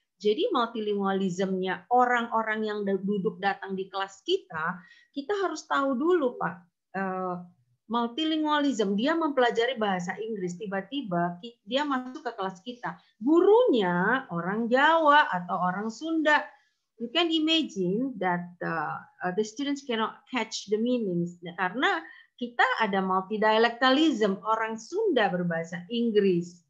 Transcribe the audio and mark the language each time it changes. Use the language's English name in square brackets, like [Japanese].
[Indonesian] Jadi multilingualism-nya orang-orang yang duduk datang di kelas kita harus tahu dulu, Pak. Multilingualism, dia mempelajari bahasa Inggris, tiba-tiba dia masuk ke kelas kita. Gurunya orang Jawa atau orang Sunda. [English] You can imagine that the students cannot catch the meanings. [Indonesian] Karena kita ada multidialectalism, orang Sunda berbahasa Inggris.